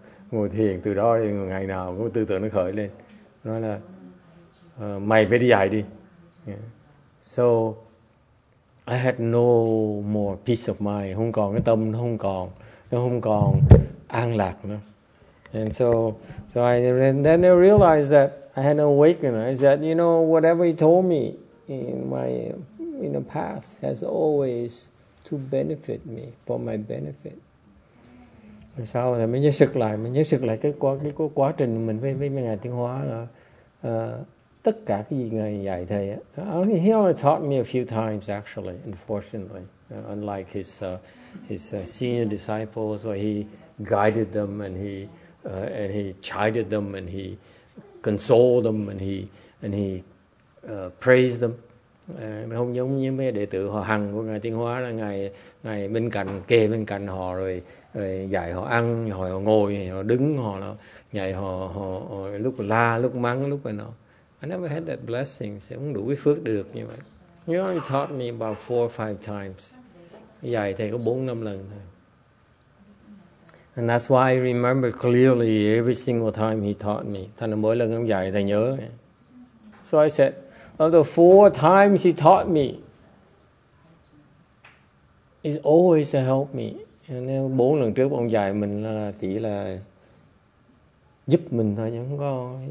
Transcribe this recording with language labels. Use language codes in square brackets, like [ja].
[vi] Ngồi thiền, từ đó thì ngày nào cũng tư tưởng nó khởi lên. Nói là, mày phải đi dạy đi. Yeah. [en] So, I had no more peace of mind, [vi] không còn cái tâm, nó không còn an lạc nữa. [en] And so I realized that I had an awakening. I said, you know, whatever he told me in the past has always to benefit me, for my benefit. [vi] Rồi sau thì mới nhớ sực lại cái quá trình mình với Ngài Tiến Hóa là tất cả cái gì Ngài dạy thầy á. [en] He only taught me a few times actually, unfortunately, unlike his senior disciples where he guided them and he chided them and he consoled them and he praised them. [vi] Không giống như mấy đệ tử họ hằng của Ngài Tiến Hóa là ngài bên cạnh, kề bên cạnh họ rồi dạy họ ăn, rồi họ ngồi, rồi họ đứng, họ dạy họ lúc la, lúc mắng, lúc này nọ. [en] I never had that blessing, [vi] sẽ không đủ cái phước được như vậy. [en] You only taught me about 4 or 5 times. [vi] Dạy thầy có 4-5 lần thôi. [en] And that's why I remember clearly every single time he taught me. [vi] Thành mỗi lần ông dạy, thầy nhớ. [en] So I said, of the 4 times he taught me, he's always to help me. And then [vi] 4 lần trước ông dạy mình là chỉ là giúp mình thôi, nhưng không có.